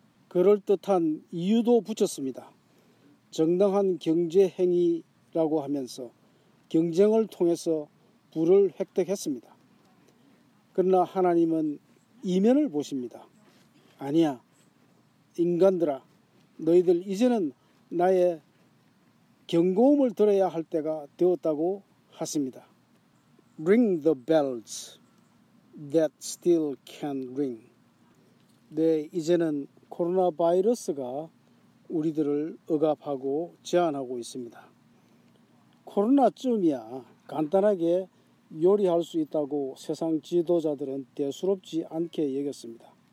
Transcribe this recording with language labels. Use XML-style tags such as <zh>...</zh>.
<ko>그럴듯한 이유도 붙였습니다. 정당한 경제행위라고 하면서 경쟁을 통해서 부를 획득했습니다. 그러나 하나님은 이면을 보십니다. 아니야, 인간들아, 너희들 이제는 나의 경고음을 들어야 할 때가 되었다고 하십니다.</ko> <en>Ring the bells that still can ring.</en> <ko>네, 이제는 코로나 바이러스가 우리들을 억압하고 제한하고 있습니다. 코로나쯤이야 간단하게 요리할 수 있다고 세상 지도자들은 대수롭지 않게 여겼습니다.</ko>